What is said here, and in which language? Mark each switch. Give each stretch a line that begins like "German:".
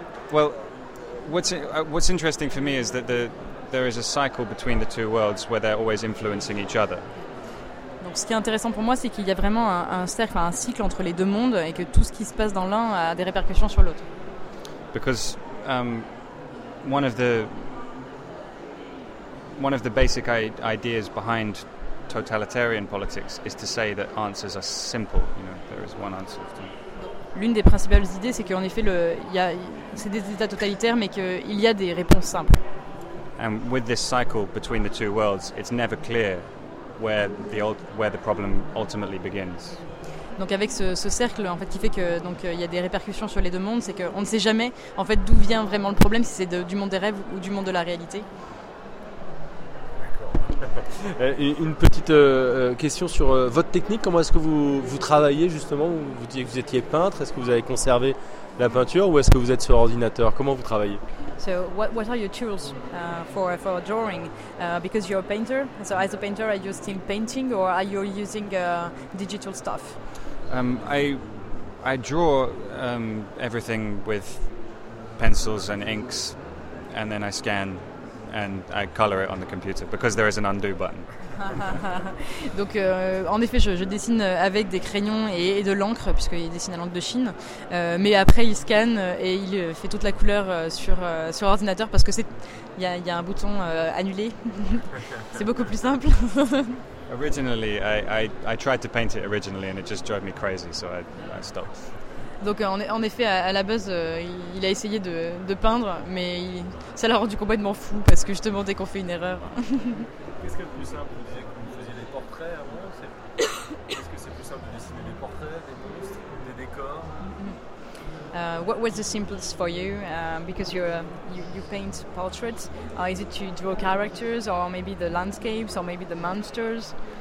English: What's interesting for me is that there is a cycle between the two worlds where they're always influencing each other.
French: ce qui est intéressant pour moi, c'est qu'il y a vraiment un cercle, un cycle entre les deux mondes, et que tout ce qui se passe dans l'un a des répercussions sur l'autre.
English: Because one of the basic ideas behind totalitarian politics is to say that answers are simple. You know, there is one answer.
French: L'une des principales idées, c'est qu'en effet, c'est des états totalitaires, mais qu'il y a des réponses simples.
English: And with this cycle between the two worlds, it's never clear where the problem ultimately begins.
French: Donc avec ce cercle, en fait, qui fait que donc il y a des répercussions sur les deux mondes, c'est qu'on ne sait jamais en fait d'où vient vraiment le problème, si c'est du monde des rêves ou du monde de la réalité. Une petite question sur votre technique. Comment est-ce que vous travaillez justement? Vous disiez que vous étiez peintre. Est-ce que vous avez conservé la peinture ou est-ce que vous êtes sur ordinateur? Comment vous travaillez?
English: So what are your tools for drawing? Because you're a painter. So as a painter, are you still painting or are you using digital stuff? I draw everything with pencils and inks, and then I scan. And I color it on the computer because there is an undo button.
French: Donc, en effet, je dessine avec des crayons et de l'encre puisqu'il dessine à l'encre de Chine. Mais après, il scanne et il fait toute la couleur sur ordinateur parce que il y a un bouton annulé. C'est beaucoup plus simple.
English: Originally, I tried to paint it originally and it just drove me crazy, so I stopped.
French: Donc en effet, à la base, il a essayé de peindre, mais ça l'a rendu complètement fou, parce que justement, dès qu'on fait une erreur... Qu'est-ce qui est le plus simple? Vous disiez que vous faisiez des portraits avant, est-ce que c'est plus simple de dessiner des portraits, des monstres, des décors?
English: What was the simplest for you? Because you paint portraits, is it to draw characters, or maybe the landscapes, or maybe the monsters?